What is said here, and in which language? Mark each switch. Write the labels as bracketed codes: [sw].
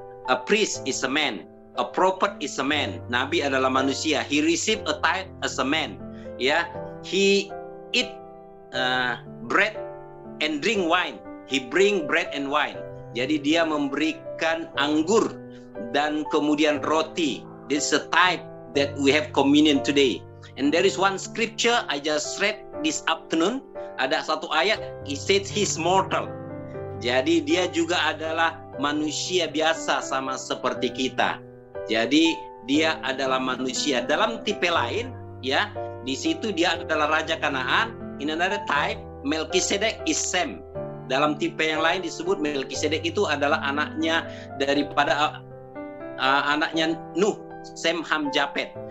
[en] A priest is a man. A prophet is a man. [id] Nabi adalah manusia. [en] He received a type as a man. Ya, yeah. He eat bread and drink wine. He bring bread and wine. [id] Jadi dia memberikan anggur dan kemudian roti. [en] This is a type that we have communion today. And there is one scripture I just read this afternoon. [id] Ada satu ayat. [en] He says he's mortal. [id] Jadi dia juga adalah manusia biasa sama seperti kita. Jadi dia adalah manusia dalam tipe lain, ya. Di situ dia adalah raja Kanaan. [en] In another type, Melchizedek is same. [id] Dalam tipe yang lain disebut Melchizedek itu adalah anaknya daripada anaknya Nuh, Sem, Ham, Japhet.